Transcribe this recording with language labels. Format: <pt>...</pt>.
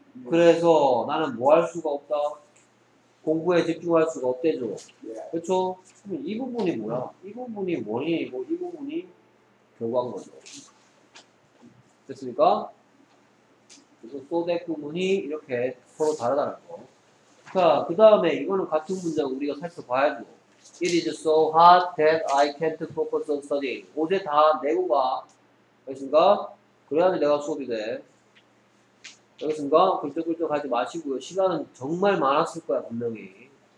<ko>그래서 나는 뭐 할 수가 없다. 공부에 집중할 수가 없대죠. 그렇죠? 그럼 이 부분이 뭐야? 이 부분이 원인이고 이 부분이 결과인 거죠. 됐습니까? 그래서 so that 부분이 이렇게 서로 다르다는 거. 자, 그 다음에 이거는 같은 문장 우리가 살펴봐야죠.</ko> <en>It is so hot that I can't focus on studying.</en> <ko>어제 다 내고 가. 알겠습니까? 그래야지 내가 수업이 돼. 알겠습니까? 글쩍글쩍 하지 마시고요. 시간은 정말 많았을 거야, 분명히.</ko>